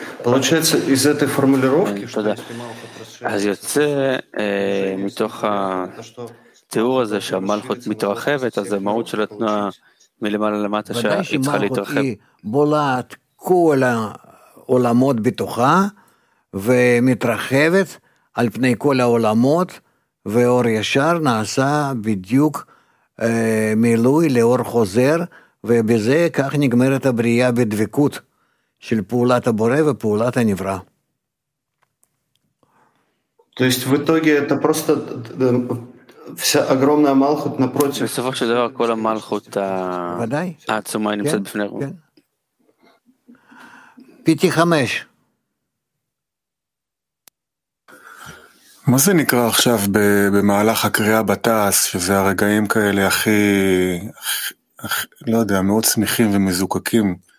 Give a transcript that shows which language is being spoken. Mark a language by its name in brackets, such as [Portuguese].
[Russian] получается из этой формулировки что да [Hebrew] אז יוצא מתוך התיאור הזה שהמלכות מתרחבת, אז המהות של התנועה מלמעלה למטה שהתחלה להתרחב, בולעת כל העולמות בתוכה ומתרחבת על פני כל העולמות, ואור ישר נעשה בדיוק מילוי לאור חוזר ובזה כך נגמרת הבריאה בדבקות של פעולת הבורא ופעולת הנברא. [Russian] То есть в итоге это просто вся огромная малхут напротив. [Hebrew] בסופו של דבר כל המלכות העצומה נמצאת בפני רוב. פיתי חמש. מה זה נקרא עכשיו במהלך הקריאה בתעס, שזה הרגעים כאלה הכי, לא יודע, מאוד שמחים ומזוקקים?